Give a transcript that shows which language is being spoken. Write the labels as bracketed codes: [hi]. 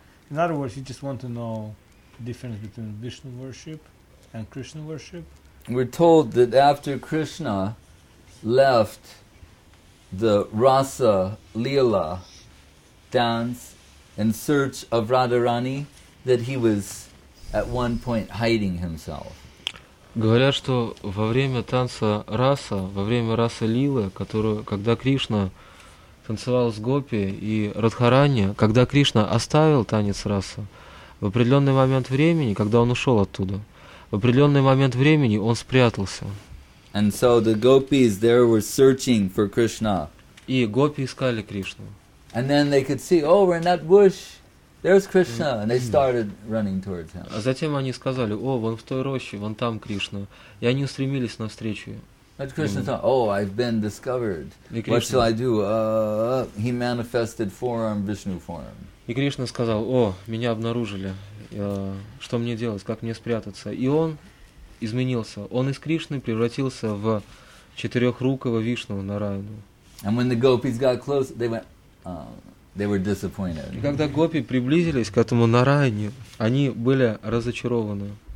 [en] In other words, he just wants to know the difference between Vishnu worship and Krishna worship. We're told that after Krishna left the Rasa Leela dance in search of Radharani, that he was at one point hiding himself. [ru] Говорят, что во время танца раса, во время раса лилы, которую, когда Кришна танцевал с гопи и Радхарани, когда Кришна оставил танец раса, в определенный момент времени, когда он ушел оттуда, в определенный момент времени он спрятался. [en] And so the gopis there were searching for Krishna. [ru] И гопи искали Кришну. [en] And then they could see, oh, we're in that bush. There's Krishna, and they started running towards him. [ru] А затем они сказали: "О, вон в той роще, вон там Кришна." И они устремились навстречу ему. [en] But Krishna thought, "Oh, I've been discovered. What shall I do?" He manifested form, Vishnu form. [ru] И Кришна сказал: "О, меня обнаружили. Что мне делать? Как мне спрятаться?" И он изменился. Он из Кришны превратился в четырехрукого Вишну Нараяну. [en] And when the gopis got close, they went. They were disappointed. [ru] И когда гопи приблизились к этому Нараяне, они были разочарованы.